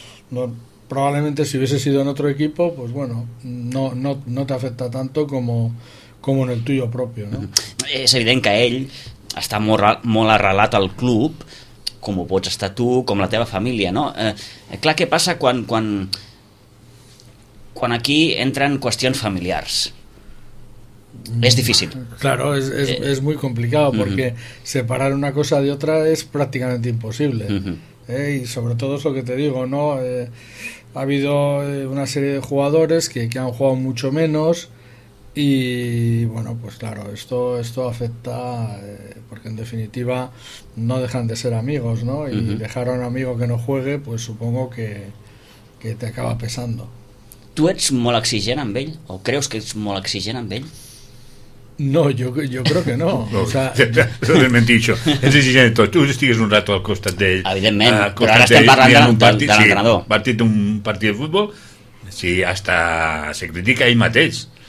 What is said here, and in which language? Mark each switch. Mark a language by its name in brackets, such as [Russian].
[Spanish] No, probablemente si hubiese sido en otro equipo, pues bueno, no te afecta tanto como en el tuyo propio, ¿no? [Catalan] És evident que ell està molt arrelat al club, com ho pots estar tu, com la teva família, no? Clar, què passa quan aquí entren qüestions familiars? [Spanish] Es difícil. Claro, es muy complicado porque separar una cosa de otra es prácticamente imposible. Y sobre todo eso que te digo, ¿no? Ha habido una serie de jugadores que han jugado mucho menos y bueno, pues claro, esto afecta porque en definitiva no dejan de ser amigos, ¿no? Y dejar a un amigo que no juegue, pues supongo que te acaba pesando. ¿Tú eres muy exigente [Catalan] amb ell [Spanish] o crees que eres muy exigente amb ell? No, yo creo que no. Eso es mentido. Es exigente de todo. Tú estigues un rato al costat de él. [Catalan] Evidentment, però ara estem parlant del entrenador. Sí, partit d'un partit de futbol, sí, [Spanish] hasta se critica [Catalan] ell mateix.